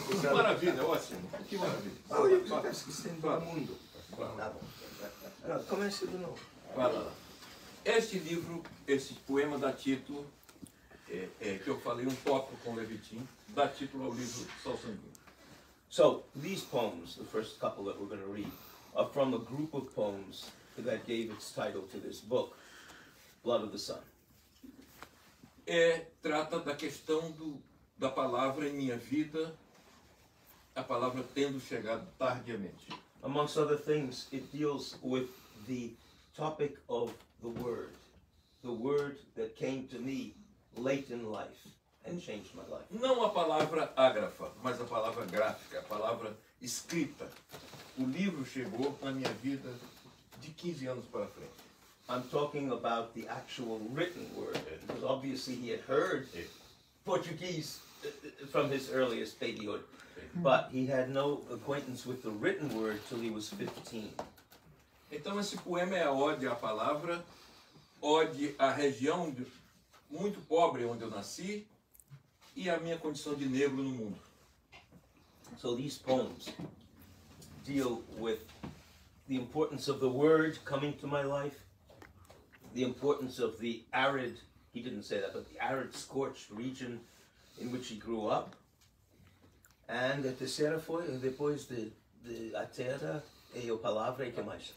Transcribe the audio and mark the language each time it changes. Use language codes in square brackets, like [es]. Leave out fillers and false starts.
[pt] Que maravilha, ótimo. Que maravilha. Olha, você está esquecendo do mundo. Tá bom. Comece de novo. Fala lá. Este livro, esse poema dá título, que eu falei um pouco com Levitin, dá título ao livro Sol Sanguíneo. [en] So, these poems, the first couple that we're going to read, are from a group of poems that gave its title to this book, Blood of the Sun. [pt] Trata da questão da palavra em minha vida, a palavra tendo chegado tardiamente. [en] Amongst other things, it deals with the topic of the word that came to me late in life and changed my life. [pt] Não a palavra ágrafa, mas a palavra gráfica, a palavra escrita. O livro chegou na minha vida de 15 anos para frente. [en] I'm talking about the actual written word, because obviously he had heard Portuguese from his earliest babyhood, but he had no acquaintance with the written word till he was 15. [pt] Então esse poema é ode à palavra, ode à região muito pobre onde eu nasci e a minha condição de negro no mundo. [en] So these poems deal with the importance of the word coming to my life, the importance of the arid, he didn't say that, but the arid scorched region in which he grew up, and [pt] a terceira foi, depois de a terra e a palavra e que mais.